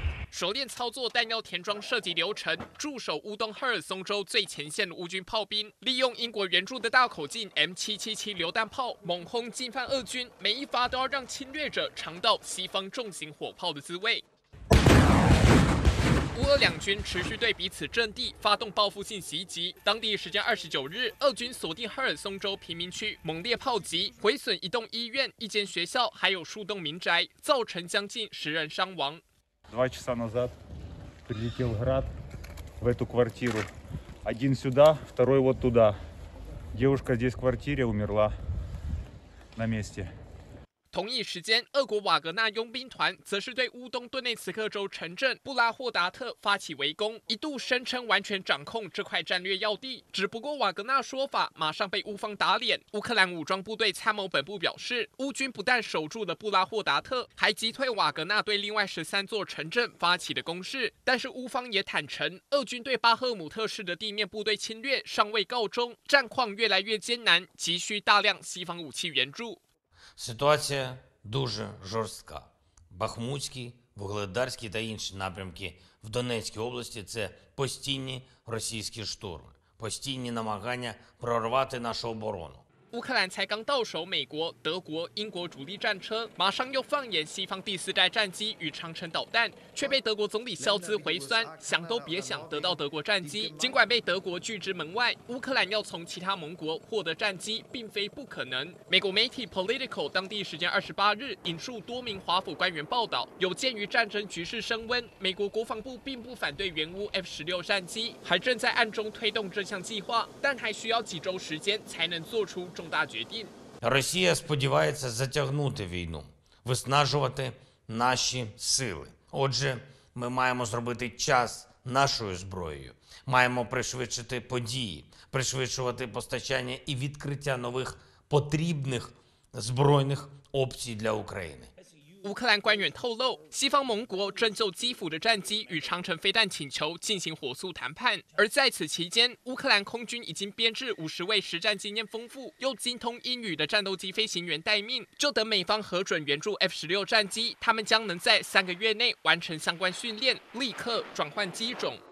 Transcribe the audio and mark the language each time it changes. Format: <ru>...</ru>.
<zh>熟练操作弹药填装设计流程，驻守乌东赫尔松州最前线的乌军炮兵，利用英国援助的大口径 M777 榴弹炮猛轰进犯俄军，每一发都要让侵略者尝到西方重型火炮的滋味。乌俄两军持续对彼此阵地发动报复性袭击。当地时间29日，俄军锁定赫尔松州贫民区，猛烈炮击，毁损一栋医院、一间学校，还有数栋民宅，造成将近十人伤亡。</zh> <ru>Два часа назад прилетел град в эту квартиру. Один сюда, второй вот туда. Девушка здесь в квартире умерла на месте.</ru> <zh>同一时间，俄国瓦格纳佣兵团则是对乌东顿内茨克州城镇布拉霍达特发起围攻，一度声称完全掌控这块战略要地。只不过瓦格纳说法马上被乌方打脸。乌克兰武装部队参谋本部表示，乌军不但守住了布拉霍达特，还击退瓦格纳对另外13座城镇发起的攻势。但是乌方也坦承，俄军对巴赫姆特市的地面部队侵略尚未告终，战况越来越艰难，急需大量西方武器援助。</zh> <uk>Ситуація дуже жорстка. Бахмутський, Вугледарський та інші напрямки в Донецькій області – це постійні російські штурми, постійні намагання прорвати нашу оборону.</uk> <zh>乌克兰才刚到手美国、德国、英国主力战车，马上又放眼西方第四代战机与长城导弹，却被德国总理肖兹回酸，想都别想得到德国战机。尽管被德国拒之门外，乌克兰要从其他盟国获得战机并非不可能。美国媒体 Political 当地时间28日引述多名华府官员报道，有鉴于战争局势升温，美国国防部并不反对援乌 F-16 战机，还正在暗中推动这项计划，但还需要几周时间才能做出重大决定。</zh> <uk>Росія сподівається затягнути війну, виснажувати наші сили. Отже, ми маємо зробити час нашою зброєю, маємо пришвидшити події, пришвидшувати постачання і відкриття нових потрібних збройних опцій для України.</uk> <zh>乌克兰官员透露，西方盟国正就基辅的战机与长城飞弹请求进行火速谈判，而在此期间，乌克兰空军已经编制50位实战经验丰富又精通英语的战斗机飞行员待命，就等美方核准援助 F-16 战机，他们将能在3个月内完成相关训练，立刻转换机种。</zh>